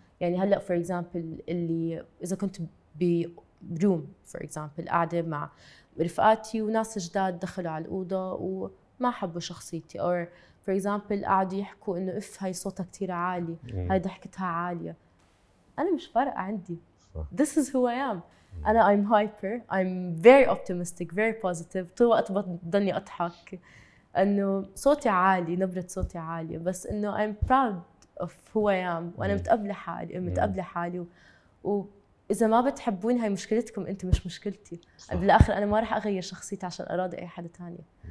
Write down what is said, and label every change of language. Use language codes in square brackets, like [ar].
[ar] يعني هلأ for example اللي إذا كنت بروم for example قاعدة مع رفقاتي وناس جداد دخلوا على الأوضة وما حبوا شخصيتي [en] or for example [ar] قاعدوا يحكوا إنه إف هاي صوتها كتير عالي هاي ضحكتها عالية أنا مش فارقة عندي. [en] This is who I am. أنا I'm hyper, I'm very optimistic, very positive. [ar] طول وقت بضلني أضحك إنه صوتي عالي نبرة صوتي عالية بس إنه [en] I'm proud of who I am [ar] وأنا متقبلة حالي متقبلة حالي. وإذا ما بتحبون هاي مشكلتكم أنتوا مش مشكلتي. بالآخر أنا ما رح أغير شخصيتي عشان أراضي أي حدا تاني.